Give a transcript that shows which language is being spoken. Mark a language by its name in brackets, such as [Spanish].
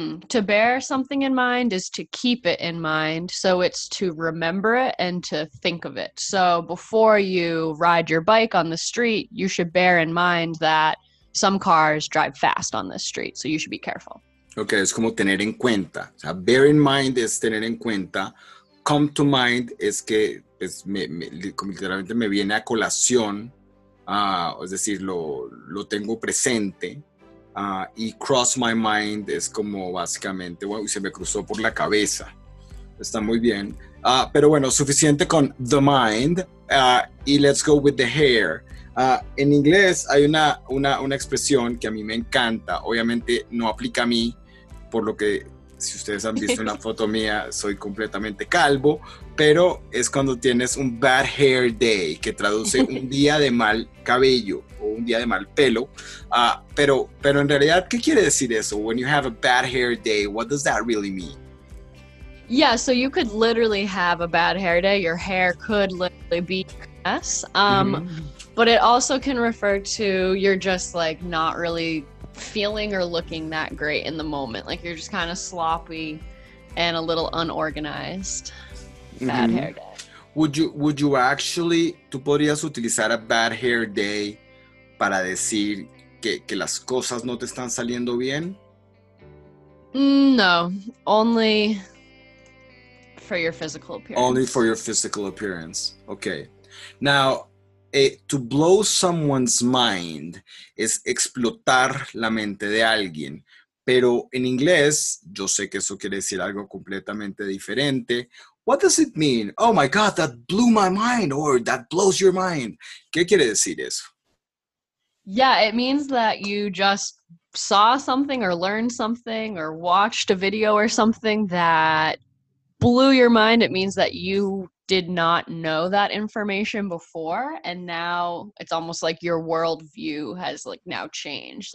[English] To bear something in mind is to keep it in mind. So it's to remember it and to think of it. So before you ride your bike on the street, you should bear in mind that some cars drive fast on this street. So you should be careful. [Spanish] Okay, es como tener en cuenta. O sea, bear in mind es tener en cuenta. Come to mind es que es literalmente me viene a colación. Es decir, lo tengo presente. Y cross my mind es como básicamente, bueno, se me cruzó por la cabeza. Está muy bien. Pero bueno, suficiente con [English] the mind. [Spanish] Y [English] let's go with the hair. [Spanish] En inglés hay una expresión que a mí me encanta. Obviamente no aplica a mí, por lo que si ustedes han visto una foto mía, soy completamente calvo. Pero es cuando tienes un bad hair day, que traduce un día de mal cabello o un día de mal pelo. Pero en realidad, ¿qué quiere decir eso? [English] When you have a bad hair day, what does that really mean? Yeah, so you could literally have a bad hair day. Your hair could literally be a mess. But it also can refer to you're just like not really feeling or looking that great in the moment. Like you're just kind of sloppy and a little unorganized. Bad hair day. Would you actually, [Spanish] tú podrías utilizar a bad hair day para decir que las cosas no te están saliendo bien? [English] No, only for your physical appearance. Only for your physical appearance. Okay. Now, to blow someone's mind is [Spanish] explotar la mente de alguien. Pero en inglés, yo sé que eso quiere decir algo completamente diferente. [English] What does it mean? Oh my God, that blew my mind, or that blows your mind. [Spanish] ¿Qué quiere decir eso? [English] Yeah, it means that you just saw something or learned something or watched a video or something that blew your mind. It means that you did not know that information before, and now it's almost like your worldview has like now changed.